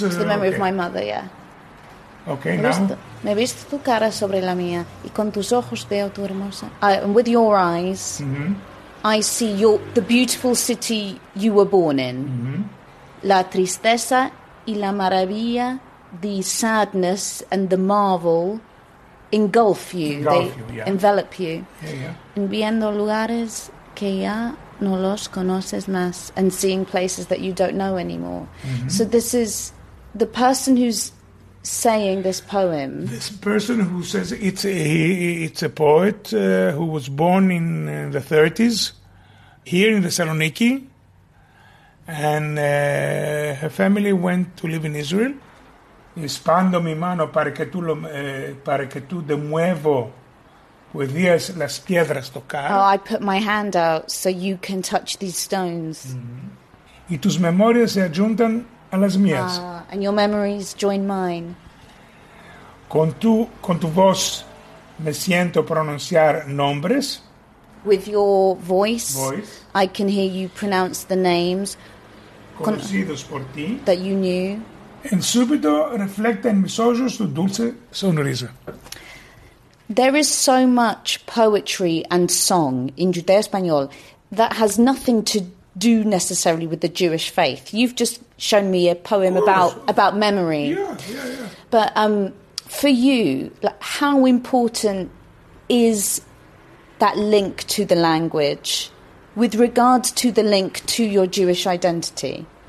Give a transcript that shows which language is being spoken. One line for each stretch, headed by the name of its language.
English: it's the memory okay. Of my mother, yeah. Okay, now.
Ladino: Me viste tu cara sobre la mía y con tus ojos veo tu hermosa.
English: And with your eyes, mm-hmm. I see the beautiful city you were born in. Mm-hmm.
Ladino: La tristeza y la maravilla,
English: the sadness and the marvel. Engulf you, envelop you. Yeah.
Ladino: Viendo lugares que ya no los conoces más,
English: and seeing places that you don't know anymore. Mm-hmm. So this is the person who's saying this poem. This person who says it's a poet who was born in the 30s here in Thessaloniki, and her family went to live in Israel.
Ladino: Espando mi mano para que tú de nuevo puedas las piedras tocar.
English: Oh, I put my hand out so you can touch these stones. Mm-hmm.
Ladino: Y tus memorias se adjuntan a las mías.
English: And your memories join mine.
Ladino: Con tu voz me siento pronunciar nombres.
English: With your voice, I can hear you pronounce the names.
Ladino: Conocidos por ti.
English: That you knew.
Ladino: En súbito reflecta en mis ojos tu dulce sonrisa.
English: There is so much poetry and song in Judeo-Español that has nothing to do necessarily with the Jewish faith. You've just shown me a poem about memory. Yeah. But for you, like, how important is that link to the language with regards to the link to your Jewish identity?